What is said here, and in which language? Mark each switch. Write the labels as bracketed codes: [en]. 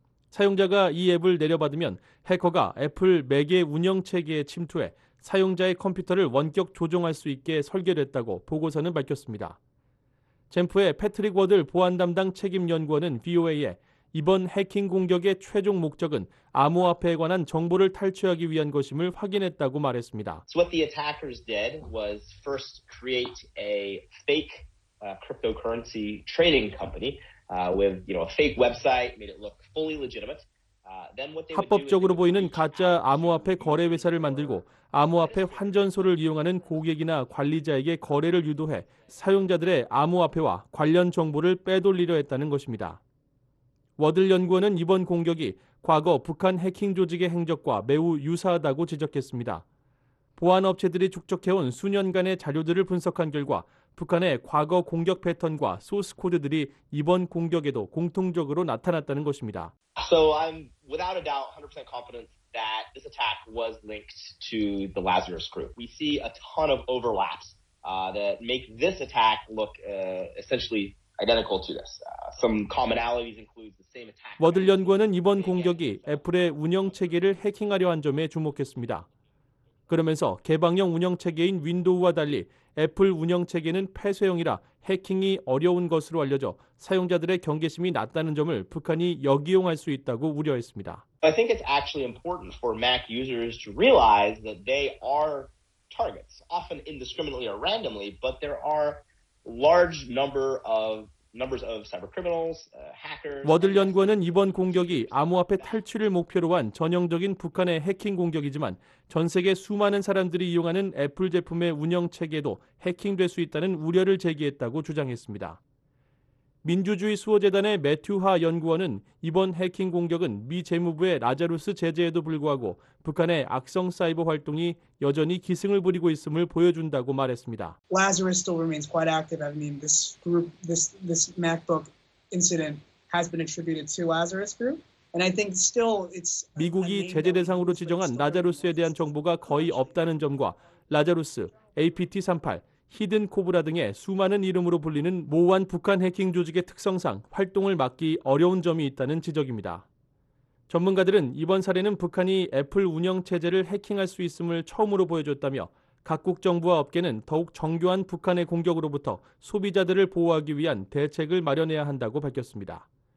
[ko] 사용자가 이 앱을 내려받으면 해커가 애플 맥의 운영체계에 침투해 사용자의 컴퓨터를 원격 조종할 수 있게 설계됐다고 보고서는 밝혔습니다. 젠프의 패트릭 워들 보안 담당 책임 연구원은 VOA에 이번 해킹 공격의 최종 목적은 암호화폐에 관한 정보를 탈취하기 위한 것임을 확인했다고 말했습니다. [en] So what the attackers did was first create a fake cryptocurrency trading company with, you know, a fake website, made it look fully legitimate. [ko] 합법적으로 보이는 가짜 암호화폐 거래 회사를 만들고 암호화폐 환전소를 이용하는 고객이나 관리자에게 거래를 유도해 사용자들의 암호화폐와 관련 정보를 빼돌리려 했다는 것입니다. 워들 연구원은 이번 공격이 과거 북한 해킹 조직의 행적과 매우 유사하다고 지적했습니다. 보안 업체들이 축적해온 수년간의 자료들을 분석한 결과 북한의 과거 공격 패턴과 소스 코드들이 이번 공격에도 공통적으로 나타났다는 것입니다. [en] So I'm without a doubt 100% confident that this attack was linked to the Lazarus Group. We see a ton of overlaps that make this attack look essentially identical to this. Some commonalities include the same attack. [ko] 워들 연구원은 이번 공격이 애플의 운영 체계를 해킹하려 한 점에 주목했습니다. 그러면서 개방형 운영체계인 윈도우와 달리 애플 운영체계는 폐쇄형이라 해킹이 어려운 것으로 알려져 사용자들의 경계심이 낮다는 점을 북한이 역이용할 수 있다고 우려했습니다. [en] I think it's actually important for Mac users to realize that they are targets, often indiscriminately or randomly, but there are large numbers of cyber criminals, hackers. [ko] 워들 연구원은 이번 공격이 암호화폐 탈취를 목표로 한 전형적인 북한의 해킹 공격이지만 전 세계 수많은 사람들이 이용하는 애플 제품의 운영 체계도 해킹될 수 있다는 우려를 제기했다고 주장했습니다. 민주주의 수호 재단의 매튜 하 연구원은 이번 해킹 공격은 미 재무부의 라자루스 제재에도 불구하고 북한의 악성 사이버 활동이 여전히 기승을 부리고 있음을 보여준다고 말했습니다. [en] Lazarus still remains quite active. I mean, this group, this MacBook incident has been attributed to Lazarus Group. And I think still it's [ko] 미국이 제재 대상으로 지정한 라자루스에 대한 정보가 거의 없다는 점과 라자루스, APT38 히든 코브라 등의 수많은 이름으로 불리는 모호한 북한 해킹 조직의 특성상 활동을 막기 어려운 점이 있다는 지적입니다. 전문가들은 이번 사례는 북한이 애플 운영체제를 해킹할 수 있음을 처음으로 보여줬다며 각국 정부와 업계는 더욱 정교한 북한의 공격으로부터 소비자들을 보호하기 위한 대책을 마련해야 한다고 밝혔습니다.